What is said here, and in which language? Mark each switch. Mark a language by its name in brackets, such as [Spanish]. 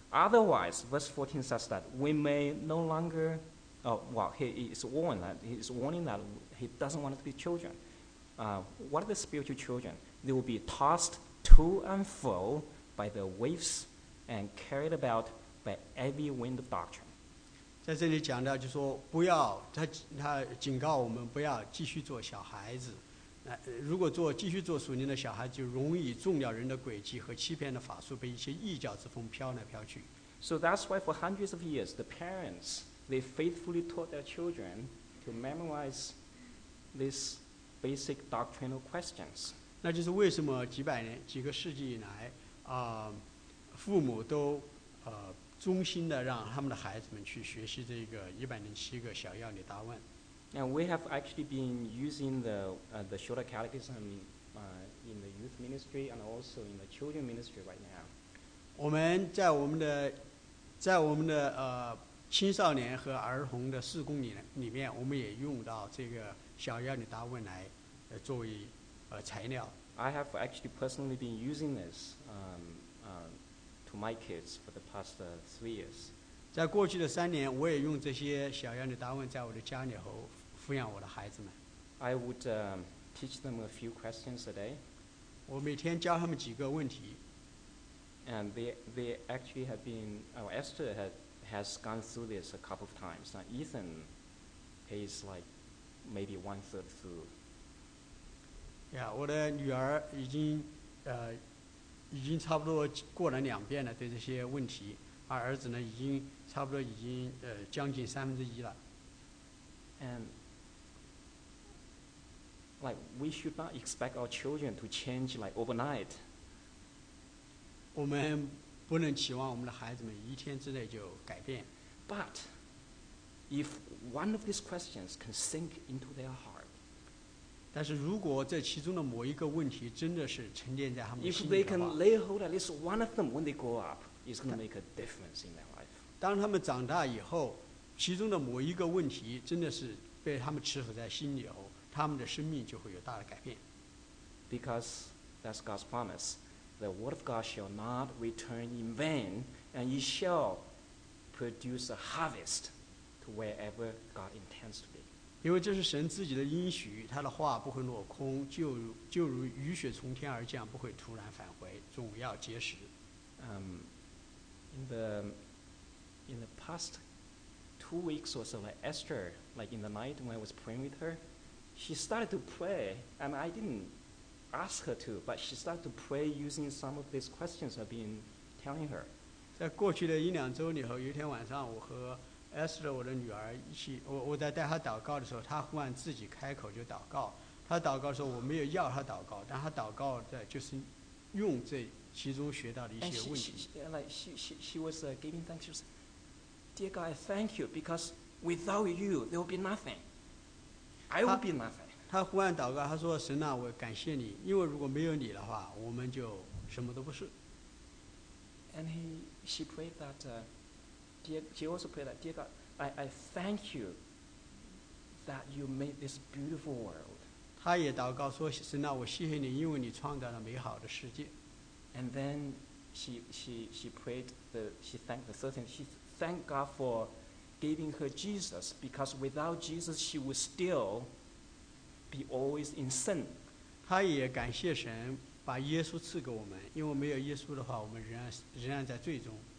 [English] Otherwise, verse 14 says that we may no longer, he is warning that he doesn't want to be children. What are the spiritual children? They will be tossed to and fro by the waves and carried about by every wind of doctrine. [Chinese] 在这里讲到就是说不要他警告我们不要继续做小孩子，如果做继续做属灵的小孩，就容易中了人的诡计和欺骗的法术，被一些异教之风飘来飘去。 [English] So that's why for hundreds of years, the parents they faithfully taught their children to memorize these basic doctrinal questions. [Chinese] 那就是为什么几百年、几个世纪以来，父母都忠心的让他们的孩子们去学习这个107个小要理大问。 [English] And we have actually been using the Shorter Catechism in the youth ministry and also in the children ministry right now. [Chinese] 我们在我们的青少年和儿童的事工里面，我们也用到这个小要理大问来作为材料。 [English] I have actually personally been using this to my kids for the past 3 years. [Chinese] 在过去的三年，我也用这些小要理大问在我的家里和抚养我的孩子们。 [English] I would teach them a few questions a day. [Chinese] 我每天教他们几个问题。 [English] And they actually have been, oh, Esther has gone through this a couple of times. Now Ethan, he's like maybe one third through. [Chinese] Yeah, 我的女儿已经差不多过了两遍了对这些问题，而儿子呢已经差不多已经将近三分之一了。 [English] And like we should not expect our children to change like overnight. [Chinese] 我们不能期望我们的孩子们一天之内就改变。 [English] But if one of these questions can sink into their heart, [Chinese] 但是如果这其中的某一个问题真的是沉淀在他们的心里的话， [English] if they can lay hold at least one of them when they grow up, it's going to make a difference in their life. [Chinese] 当他们长大以后，其中的某一个问题真的是被他们持守在心里后，他们的生命就会有大的改变。 [English] Because that's God's promise. The word of God shall not return in vain, and it shall produce a harvest to wherever God intends to be. [Chinese] 因为这是神自己的应许，他的话不会落空，就如雨雪从天而降，不会突然返回，总要结实。 [English] In the past 2 weeks or so, like Esther, like in the night when I was praying with her, she started to pray, and I didn't ask her to, but she started to pray using some of these questions I've been telling her. [Chinese] 在过去的一两周里头，有一天晚上，我和 Esther 我的女儿一起，我在带她祷告的时候，她忽然自己开口就祷告。她祷告的时候，我没有要她祷告，但她祷告的就是用这其中学到的一些问题。 [English] She was giving thanks. She said, "Dear God, I thank you because without you, there will be nothing. I will be nothing." [Chinese] 他忽然祷告，他说：“神啊，我感谢你，因为如果没有你的话，我们就什么都不是。” [English] And she prayed that, she also prayed that, dear God, I thank you that you made this beautiful world. [Chinese] 他也祷告说：“神啊，我谢谢你，因为你创造了美好的世界。” [English] And then she thanked God for giving her Jesus, because without Jesus, she was still be always in sin. [Chinese] 他也感谢神把耶稣赐给我们，因为没有耶稣的话，我们仍然在罪中。